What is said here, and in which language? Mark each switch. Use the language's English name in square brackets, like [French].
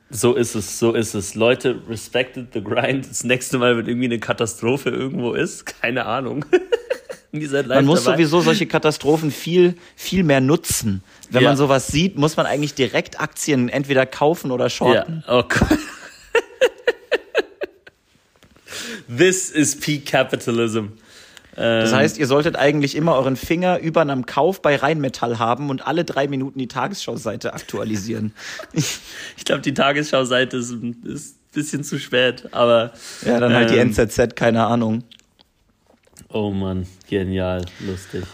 [German] So ist es. Leute, [English] respected the grind. [German] Das nächste Mal, wenn irgendwie eine Katastrophe irgendwo ist, keine Ahnung. Man muss sowieso solche Katastrophen viel, viel mehr nutzen. Wenn man sowas sieht, muss man eigentlich direkt Aktien entweder kaufen oder shorten. Ja. [English] Oh This is peak capitalism. [German] Das heißt, ihr solltet eigentlich immer euren Finger über einem Kauf bei Rheinmetall haben und alle 3 Minuten die Tagesschau-Seite aktualisieren. Ich glaube, die Tagesschau-Seite ist ein bisschen zu spät, aber. Ja, dann halt die NZZ, keine Ahnung. Oh Mann, genial, lustig.